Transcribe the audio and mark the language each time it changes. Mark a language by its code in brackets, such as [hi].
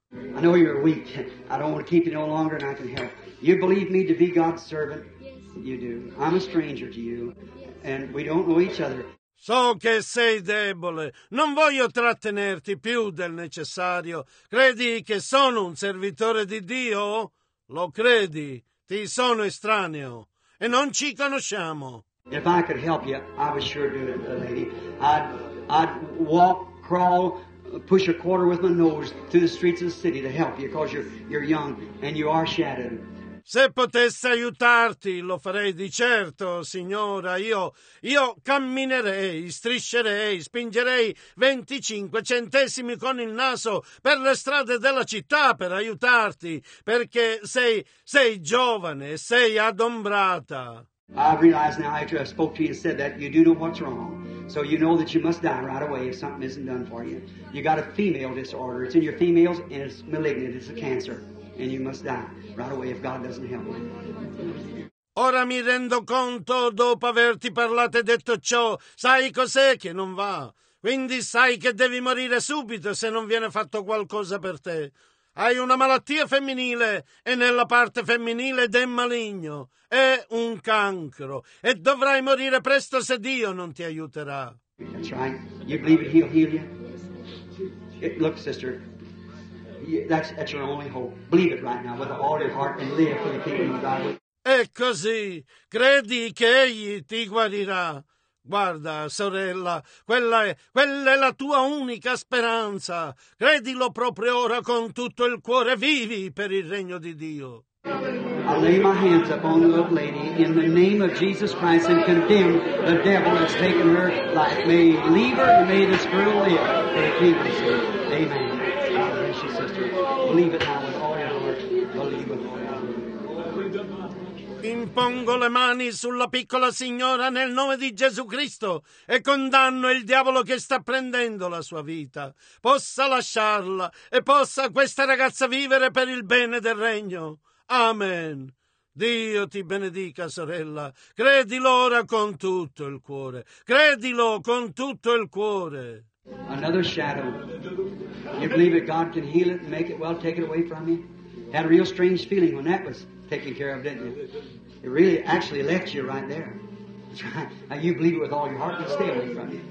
[en] I know you're weak. I don't want to keep you no longer and I can help. You believe me to be God's servant? Yes. You do. I'm a stranger to you. Yes. And we don't know each other. [it] So che sei debole. Non voglio trattenerti più del necessario. Credi che sono un servitore di Dio? Lo credi? Ti sono estraneo. E non ci conosciamo. [en] If I could help you, I would sure do it, lady. I'd walk, crawl, push a quarter with my nose through the streets of the city to help you because you're young and you are shattered. [it] Se potessi aiutarti, lo farei di certo, signora. Io camminerei, striscerei, spingerei 25 centesimi con il naso per le strade della città per aiutarti, perché sei giovane, sei adombrata. [en] I realize now after I spoke to you and said that you do know what's wrong. So you know that you must die right away if something isn't done for you. You got a female disorder. It's in your females and it's malignant. It's a cancer. And you must die right away if God doesn't help you. [it] Ora mi rendo conto dopo averti parlato e detto ciò. Sai cos'è che non va? Quindi sai che devi morire subito se non viene fatto qualcosa per te. Hai una malattia femminile e nella parte femminile ed è maligno. È un cancro e dovrai morire presto se Dio non ti aiuterà. [en] That's right. You believe it, he'll heal you? It, look, sister, that's your only hope. Believe it right now with all your heart and live for the kingdom of God. [it] È così. Credi che egli ti guarirà. Guarda, sorella, quella è la tua unica speranza. Credilo proprio ora con tutto il cuore. Vivi per il regno di Dio. [en] I lay my hands upon the little lady in the name of Jesus Christ and condemn the devil that's taken her life. May he leave her and may this girl live for the kingdom of God. Amen. God bless you, sister. Believe it now with all your heart. Believe it. [it] Impongo le mani sulla piccola signora nel nome di Gesù Cristo e condanno il diavolo che sta prendendo la sua vita. Possa lasciarla e possa questa ragazza vivere per il bene del regno. Amen. Dio ti benedica, sorella. Credilo ora con tutto il cuore. Credilo con tutto il cuore. [en] Another shadow. You believe that God can heal it and make it well, take it away from me? Had a real strange feeling when that was taken care of, didn't you? It really actually left you right there. Now you believe it with all your heart, but stay away from you.